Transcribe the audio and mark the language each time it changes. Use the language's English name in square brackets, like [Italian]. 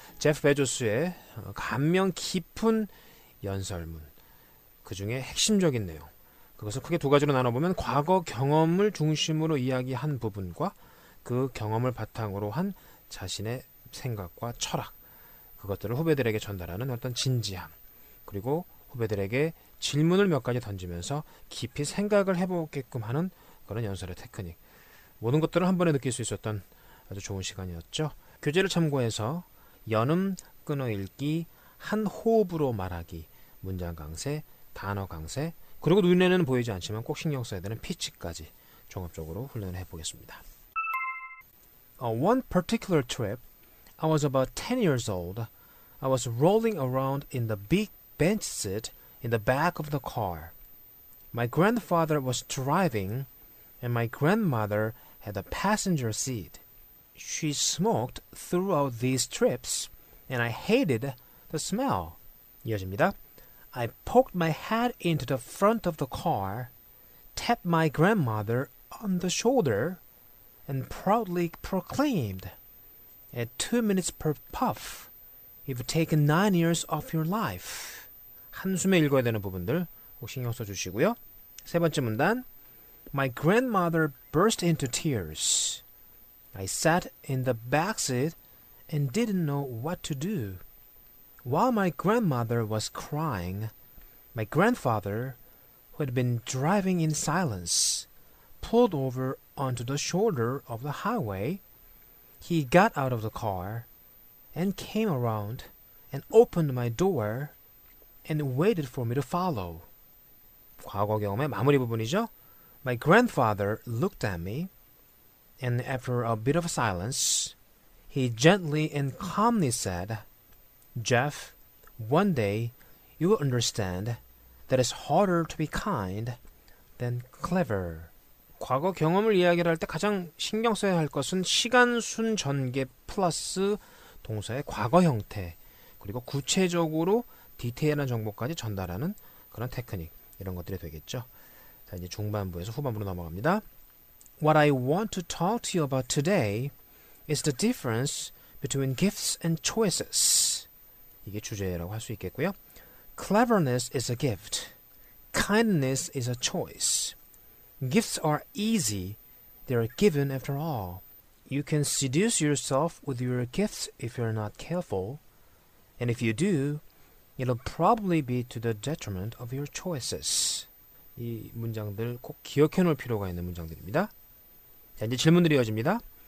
[Korean] 제프 베조스의 감명 깊은 연설문 그 중에 핵심적인 내용 그것을 크게 두 가지로 나눠보면 과거 경험을 중심으로 이야기한 부분과 그 경험을 바탕으로 한 자신의 생각과 철학 그것들을 후배들에게 전달하는 어떤 진지함 그리고 후배들에게 질문을 몇 가지 던지면서 깊이 생각을 해보게끔 하는 그런 연설의 테크닉 모든 것들을 한 번에 느낄 수 있었던 아주 좋은 시간이었죠. 교재를 참고해서 연음 끊어 읽기 한 호흡으로 말하기 문장 강세 단어 강세 그리고 눈에는 보이지 않지만 꼭 신경 써야 되는 피치까지 종합적으로 훈련을 해보겠습니다. [English] One particular trip, I was about 10 years old. I was rolling around in the big bench seat in the back of the car. My grandfather was driving, and my grandmother had a passenger seat. She smoked throughout these trips, and I hated the smell. [Korean] 이어집니다. [English] I poked my head into the front of the car, tapped my grandmother on the shoulder, and proudly proclaimed, at 2 minutes per puff, you've taken 9 years of your life. [Korean] 한숨에 읽어야 되는 부분들 꼭 신경 써주시고요. 세 번째 문단, [English] My grandmother burst into tears. I sat in the back seat and didn't know what to do. While my grandmother was crying, my grandfather, who had been driving in silence, pulled over onto the shoulder of the highway. He got out of the car and came around and opened my door and waited for me to follow. [Korean] 과거 경험의 마무리 부분이죠. [English] My grandfather looked at me and after a bit of silence, he gently and calmly said, Jeff, one day you will understand that it's harder to be kind than clever. [Korean] 과거 경험을 이야기할 때 가장 신경 써야 할 것은 시간순 전개 플러스 동사의 과거 형태 그리고 구체적으로 디테일한 정보까지 전달하는 그런 테크닉 이런 것들이 되겠죠. 자 이제 중반부에서 후반부로 넘어갑니다. [English] What I want to talk to you about today is the difference between gifts and choices. [Korean] 이게 주제라고 할 수 있겠고요. [English] Cleverness is a gift. Kindness is a choice. Gifts are easy. They are given after all. You can seduce yourself with your gifts if you're not careful. And if you do, it'll probably be to the detriment of your choices. [Korean] 이 문장들 꼭 기억해 놓을 필요가 있는 문장들입니다. 자, 이제 질문들이 이어집니다.